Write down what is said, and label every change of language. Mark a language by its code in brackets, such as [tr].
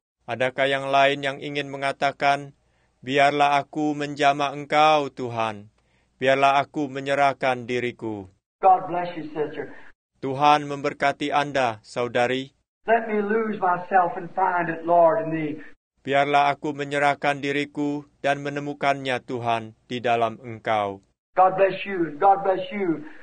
[id] Adakah yang lain yang ingin mengatakan, biarlah aku menjamah Engkau, Tuhan. Biarlah aku menyerahkan diriku. [en] God bless you, sister. [id] Tuhan memberkati Anda, saudari. [en] Let me lose myself and find it, Lord, in thee. [id] Biarlah aku menyerahkan diriku dan menemukannya, Tuhan, di dalam Engkau. [en] God bless you, God bless you.